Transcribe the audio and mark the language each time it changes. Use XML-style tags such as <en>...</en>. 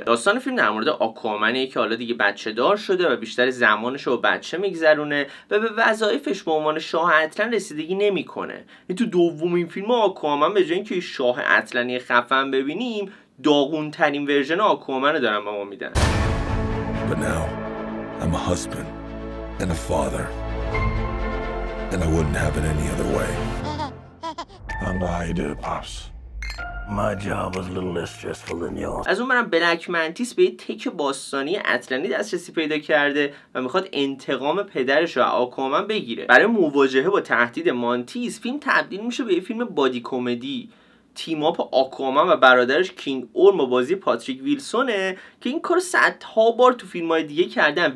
<fa>داستان فیلم در مورد آکوامنیه که حالا دیگه بچه دار شده و بیشتر زمانش رو بچه میگذرونه و به وظایفش به عنوان شاه اتلان رسیدگی نمیکنه. این تو دومین فیلم آکوامن به جای اینکه شاه اتلانی خفن ببینیم، داغون ترین ورژن آکوامن رو دارن به ما میدن.</fa> <en>I'm a husband and a father, and I wouldn't have it any other way. I'm the how you did it, Pops. My job was a little less stressful than yours.</en> <fa>از اون برم بلک منتیس به یه تک باستانی اتلانی دسترسی پیدا کرده و میخواد انتقام پدرش رو آکوامن بگیره. برای مواجهه با تهدید منتیس، فیلم تبدیل میشه به یه فیلم بادی کمدی. تیم اپ آکوامن و برادرش کینگ اورم و بازی پاتریک ویلسونه که این کارو صدها بار تو فیلم‌های دیگه کردن.</fa>